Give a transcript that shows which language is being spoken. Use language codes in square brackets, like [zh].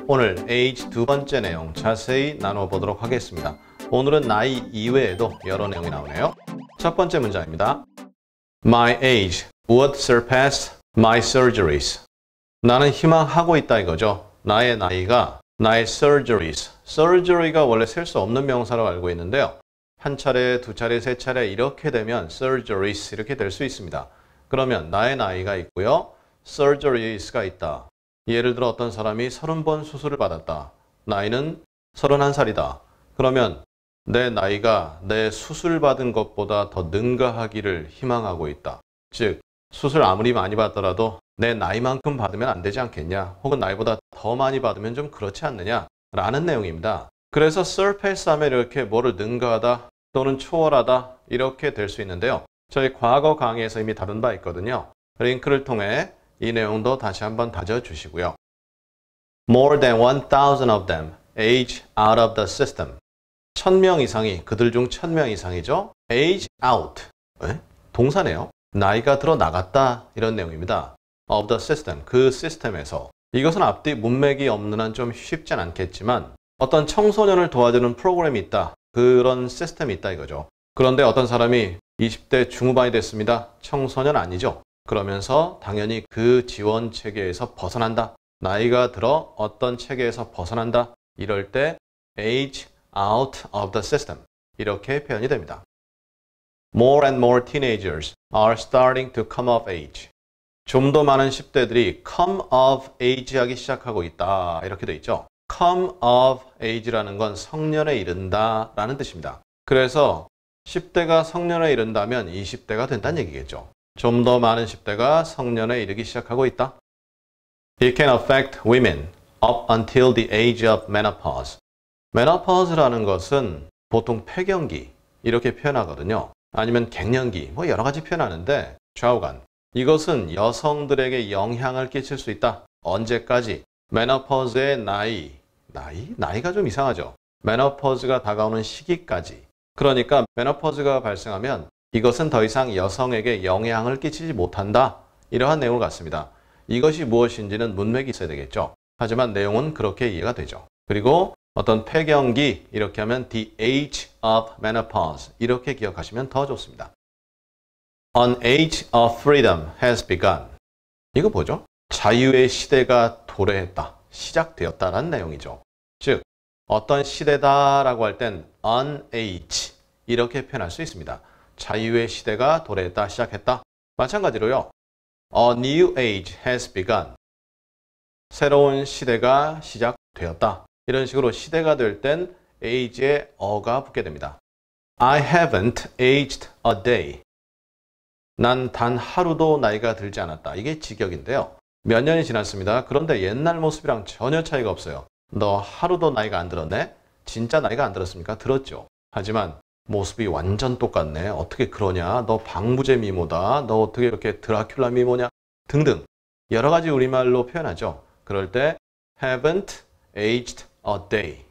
[ko] 오늘 age 두 번째 내용 자세히 나눠보도록 하겠습니다. 오늘은 나이 이외에도 여러 내용이 나오네요. 첫 번째 문장입니다. [en] My age would surpass my surgeries. [ko] 나는 희망하고 있다 이거죠. 나의 나이가 나의 surgeries. Surgery가 원래 셀 수 없는 명사로 알고 있는데요. 한 차례, 두 차례, 세 차례 이렇게 되면 surgeries 이렇게 될 수 있습니다. 그러면 나의 나이가 있고요. surgeries가 있다. 예를 들어 어떤 사람이 30번 수술을 받았다. 나이는 31살이다. 그러면 내 나이가 내 수술 받은 것보다 더 능가하기를 희망하고 있다. 즉, 수술 아무리 많이 받더라도 내 나이만큼 받으면 안 되지 않겠냐? 혹은 나이보다 더 많이 받으면 좀 그렇지 않느냐? 라는 내용입니다. 그래서 surpass하면 이렇게 뭐를 능가하다 또는 초월하다 이렇게 될 수 있는데요. 저희 과거 강의에서 이미 다룬 바 있거든요. 링크를 통해 이 내용도 다시 한번 다져주시고요. [en] More than 1,000 of them age out of the system. [ko] 1,000명 이상이, 그들 중 1,000명 이상이죠. [en] age out. [ko] 에? 동사네요. 나이가 들어 나갔다. 이런 내용입니다. [en] of the system. [ko] 그 시스템에서. 이것은 앞뒤 문맥이 없는 한 좀 쉽진 않겠지만 어떤 청소년을 도와주는 프로그램이 있다. 그런 시스템이 있다 이거죠. 그런데 어떤 사람이 20대 중후반이 됐습니다. 청소년 아니죠. 그러면서 당연히 그 지원 체계에서 벗어난다. 나이가 들어 어떤 체계에서 벗어난다. 이럴 때 [en] age out of the system. [ko] 이렇게 표현이 됩니다. [en] More and more teenagers are starting to come of age. [ko] 좀 더 많은 10대들이 [en] come of age [ko] 하기 시작하고 있다. 이렇게 돼 있죠. [en] come of age [ko] 라는 건 성년에 이른다 라는 뜻입니다. 그래서 10대가 성년에 이른다면 20대가 된다는 얘기겠죠. 좀 더 많은 10대가 성년에 이르기 시작하고 있다. [en] It can affect women up until the age of menopause. [ko] Menopause라는 것은 보통 폐경기 이렇게 표현하거든요. 아니면 갱년기 뭐 여러 가지 표현하는데 좌우간. 이것은 여성들에게 영향을 끼칠 수 있다. 언제까지? Menopause의 나이. 나이? 나이가 좀 이상하죠. Menopause가 다가오는 시기까지. 그러니까 Menopause가 발생하면 이것은 더 이상 여성에게 영향을 끼치지 못한다. 이러한 내용을 갖습니다. 이것이 무엇인지는 문맥이 있어야 되겠죠. 하지만 내용은 그렇게 이해가 되죠. 그리고 어떤 폐경기, 이렇게 하면 [en] the age of menopause, [ko] 이렇게 기억하시면 더 좋습니다. [en] An age of freedom has begun. [ko] 이거 뭐죠? 자유의 시대가 도래했다, 시작되었다라는 내용이죠. 즉, 어떤 시대다라고 할 땐 an age, 이렇게 표현할 수 있습니다. 자유의 시대가 도래했다, 시작했다. 마찬가지로요. [en] A new age has begun. [ko] 새로운 시대가 시작되었다. 이런 식으로 시대가 될 땐 age에 어가 붙게 됩니다. [en] I haven't aged a day. [ko] 난 단 하루도 나이가 들지 않았다. 이게 직역인데요. 몇 년이 지났습니다. 그런데 옛날 모습이랑 전혀 차이가 없어요. 너 하루도 나이가 안 들었네? 진짜 나이가 안 들었습니까? 들었죠. 하지만 모습이 완전 똑같네. 어떻게 그러냐? 너 방부제 미모다. 너 어떻게 이렇게 드라큘라 미모냐? 등등. 여러 가지 우리말로 표현하죠. 그럴 때 [en] haven't aged a day.